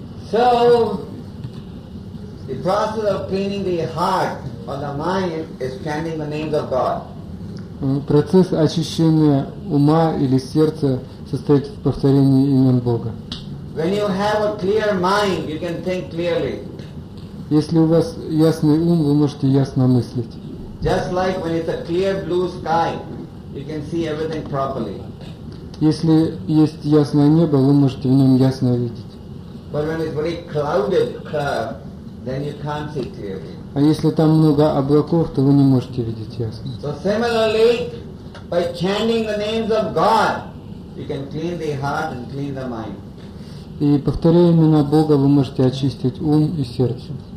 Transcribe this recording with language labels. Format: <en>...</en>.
<en>So, the process of cleaning the heart or the mind is chanting the names of God.</en> <ru>Процесс очищения ума или сердца состоит в повторении имен Бога.</ru> <en>When you have a clear mind, you can think clearly.</en> <ru>Если у вас ясный ум, вы можете ясно мыслить.</ru> <en>Just like when it's a clear blue sky, you can see everything properly.</en> <ru>Если есть ясное небо, вы можете в нем ясно видеть.</ru> <en>But when it's very clouded, then you can't see clearly.</en> <ru>А если там много облаков, то вы не можете видеть ясно.</ru> <en>So similarly, by chanting the names of God, you can clean the heart and clean the mind.</en> <ru>И повторяя имена Бога, вы можете очистить ум и сердце.</ru>